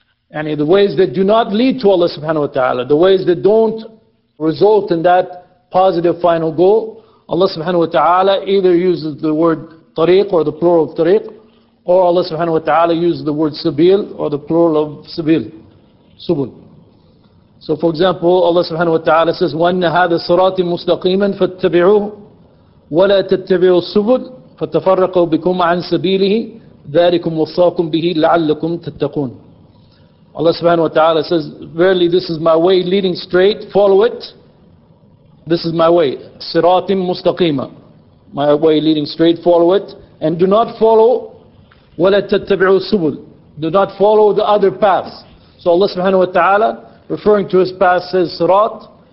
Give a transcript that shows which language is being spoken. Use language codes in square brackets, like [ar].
[en] and the ways that do not lead to Allah subhanahu wa ta'ala, the ways that don't result in that positive final goal, Allah subhanahu wa ta'ala either uses the word tariq or the plural of tariq, or Allah subhanahu wa ta'ala uses the word sabil or the plural of sabil. Subul. So for example, Allah subhanahu wa ta'ala says, [ar] وَأَنَّ هَذَا صِرَاطِ مُسْتَقِيمًا فَاتَّبِعُوهُ وَلَا تَتَّبِعُوا السُّبُلَ فَتَفَرَّقُوا بِكُمْ عَنْ سَبِيلِهِ ذَلِكُمْ وَصَّاكُمْ بِهِ لَعَلَّكُمْ تَتَّقُونَ. [en] Allah subhanahu wa ta'ala says, verily this is my way leading straight, follow it. This is my way, siratim mustaqima. My way leading straight, follow it. And do not follow, [ar] وَلَا تَتَّبِعُوا السُّبُلْ. [en] Do not follow the other paths. So Allah subhanahu wa ta'ala, referring to his path, says sirat.